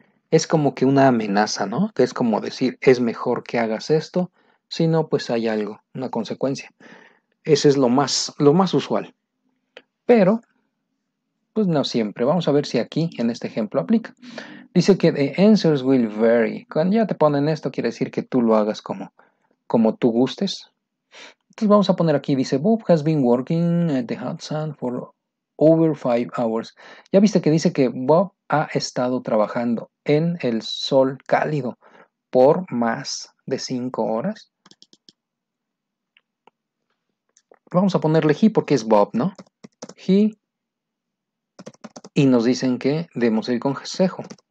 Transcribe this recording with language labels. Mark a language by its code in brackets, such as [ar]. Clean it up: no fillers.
[es] Es como que una amenaza, ¿no? Que es como decir, es mejor que hagas esto, si no, pues hay algo, una consecuencia. Ese es lo más usual. Pero, pues no siempre. Vamos a ver si aquí, en este ejemplo, aplica. Dice que [en] the answers will vary. [es] Cuando ya te ponen esto, quiere decir que tú lo hagas como tú gustes. Entonces vamos a poner aquí, dice, [en] Bob has been working at the Hudson for over 5 hours. [es] Ya viste que dice que Bob ha estado trabajando en el sol cálido por más de 5 horas. Vamos a ponerle he porque es Bob, ¿no? He. Y nos dicen que debemos ir con consejo.